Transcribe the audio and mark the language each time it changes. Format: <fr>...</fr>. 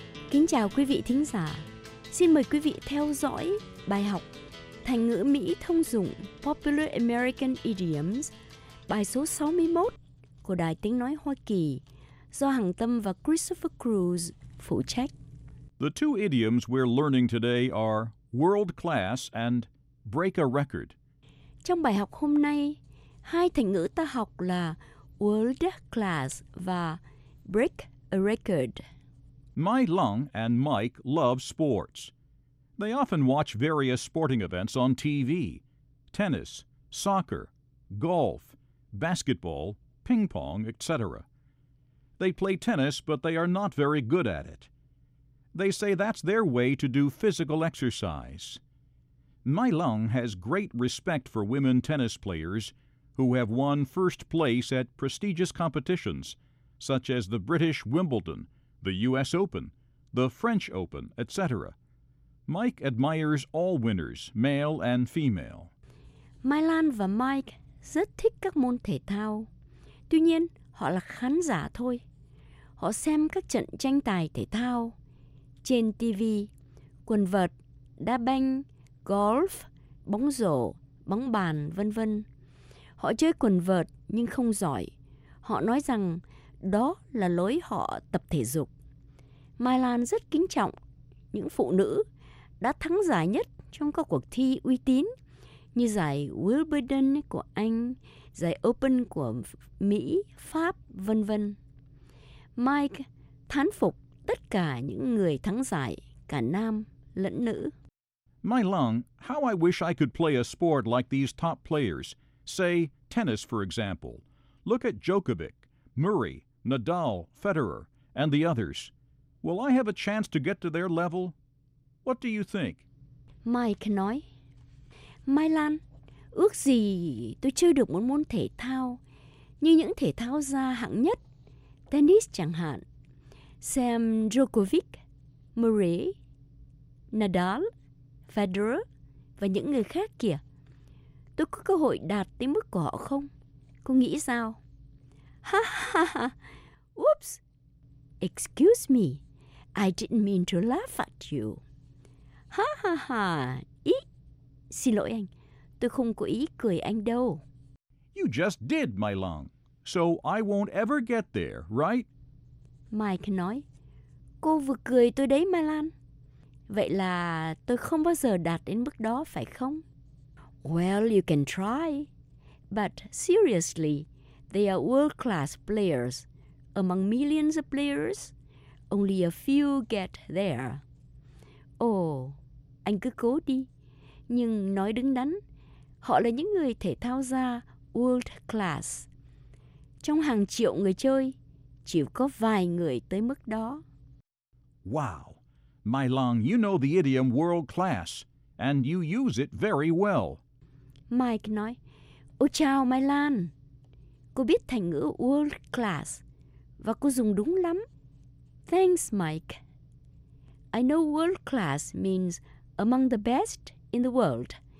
<vi>Kính chào quý vị thính giả. Xin mời quý vị theo dõi bài học thành ngữ Mỹ thông dụng</vi> <en>Popular American Idioms,</en> <vi>bài số 61 của Đài Tiếng Nói Hoa Kỳ, do Hằng Tâm và Christopher Cruz phụ trách.</vi> <en>The two idioms we're learning today are world class and break a record.</en> <vi>Trong bài học hôm nay, hai thành ngữ ta học là world class và break a record.</vi> <en>My Lung and Mike love sports. They often watch various sporting events on TV, tennis, soccer, golf, basketball, ping pong, etc. They play tennis, but they are not very good at it. They say that's their way to do physical exercise. Mai Leung has great respect for women tennis players who have won first place at prestigious competitions, such as the British Wimbledon, the U.S. Open, the French Open, etc. Mike admires all winners, male and female.</en> <vi>Mai Lan và Mike rất thích các môn thể thao. Tuy nhiên, họ là khán giả thôi. Họ xem các trận tranh tài thể thao trên TV, quần vợt, đá banh, golf, bóng rổ, bóng bàn, vân vân. Họ chơi quần vợt nhưng không giỏi. Họ nói rằng đó là lối họ tập thể dục. Mai Lan rất kính trọng những phụ nữ đã thắng giải nhất trong các cuộc thi uy tín như giải Wimbledon của Anh, giải Open của Mỹ, Pháp, vân vân. Mike thán phục tất cả những người thắng giải, cả nam lẫn nữ.</vi> <en>Mai Lan, how I wish I could play a sport like these top players. Say, tennis, for example. Look at Djokovic, Murray, Nadal, Federer, and the others. Will I have a chance to get to their level? What do you think?</en> <vi>Mike nói, Mai Lan, ước gì tôi chơi được một môn thể thao như những thể thao gia hạng nhất, tennis chẳng hạn. Xem Djokovic, Murray, Nadal, Federer và những người khác kìa. Tôi có cơ hội đạt tới mức của họ không? Cô nghĩ sao? Ha ha ha!</vi> <en>Oops! Excuse me, I didn't mean to laugh at you. Ha ha ha! Ý!</en> <vi>Xin lỗi anh, tôi không có ý cười anh đâu.</vi> <en>You just did, Mai Lan. So I won't ever get there, right?</en> <vi>Mike nói, cô vừa cười tôi đấy, Mai Lan. Vậy là tôi không bao giờ đạt đến mức đó, phải không?</vi> <en>Well, you can try. But seriously, they are world-class players. Among millions of players, only a few get there.</en> <vi>Oh, anh cứ cố đi. Nhưng nói đứng đắn, họ là những người thể thao gia world-class. Trong hàng triệu người chơi, chỉ có vài người tới mức đó.</vi> <en>Wow! Mai Lan, you know the idiom world-class, and you use it very well.</en> <vi>Mike nói, ô chào Mai Lan, cô biết thành ngữ world class và cô dùng đúng lắm.</vi> <en>Thanks, Mike. I know world class means among the best in the world.</en>